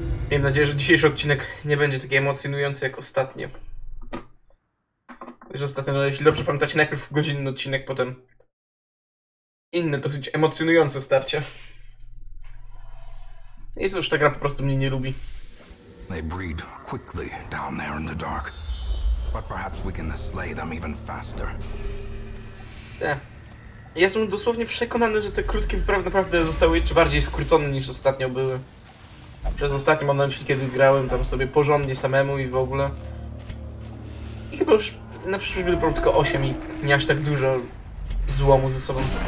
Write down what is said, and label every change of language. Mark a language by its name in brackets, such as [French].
[Polish] Miejmy nadzieję, że dzisiejszy odcinek nie będzie taki emocjonujący jak ostatnie. Już ostatnio, no, jeśli dobrze pamiętacie, najpierw godzinny odcinek, potem inne dosyć emocjonujące starcie. I cóż, ta gra po prostu mnie nie lubi. [English] They breed quickly down there in the dark. But perhaps we can slay them even faster. [Polish] Ja jestem dosłownie przekonany, że te krótkie wyprawy naprawdę zostały jeszcze bardziej skrócone niż ostatnio były. Przez ostatnio mam na myśli, kiedy grałem tam sobie porządnie samemu i w ogóle. I chyba już na przyszłość będę tylko 8 i nie aż tak dużo złomu ze sobą.